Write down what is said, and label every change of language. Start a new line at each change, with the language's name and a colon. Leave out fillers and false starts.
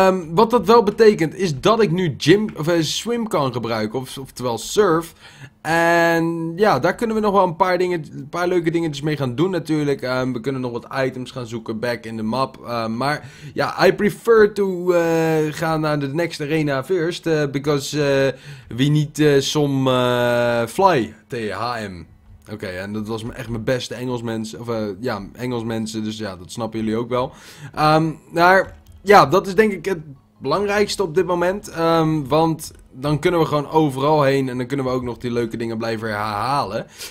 Dutch: Wat dat wel betekent is dat ik nu gym of swim kan gebruiken, oftewel surf. En ja, daar kunnen we nog wel een paar leuke dingetjes mee gaan doen natuurlijk. We kunnen nog wat items gaan zoeken
English: back in the map.
Dutch: Maar ja,
English: I prefer to
Dutch: gaan naar de
English: next arena first. Because we need some fly THM.
Dutch: Oké, en dat was echt mijn beste Engels mensen. Engels mensen, dus ja, dat snappen jullie ook wel. Maar ja, dat is denk ik het belangrijkste op dit moment. Want dan kunnen we gewoon overal heen en dan kunnen we ook nog die leuke dingen blijven herhalen.